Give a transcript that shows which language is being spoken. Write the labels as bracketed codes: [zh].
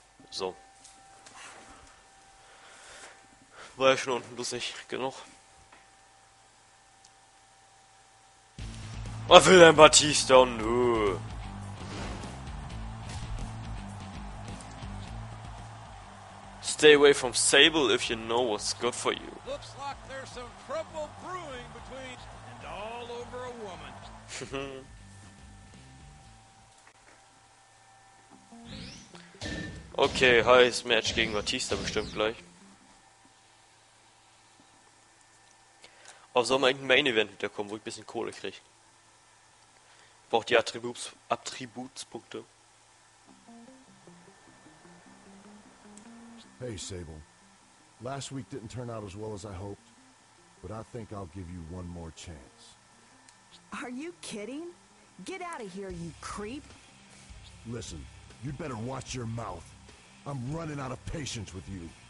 [de] So. War ja schon unten lustig genug. Was will denn Batista und du? [en] Stay away from Sable if you know what's good for you. Looks like there's some trouble brewing between and all over a woman. [de] Okay, heißt Match gegen Batista bestimmt gleich. Auf so ein Main Event wiederkommen, wo ich ein bisschen Kohle kriege. Ich brauche die Attributspunkte. [en] Hey Sable, last week didn't turn out as well as I hoped, but I think I'll give you one more chance. Are you kidding? Get out of here, you creep! Listen, you'd better watch your mouth. I'm running out of patience with you.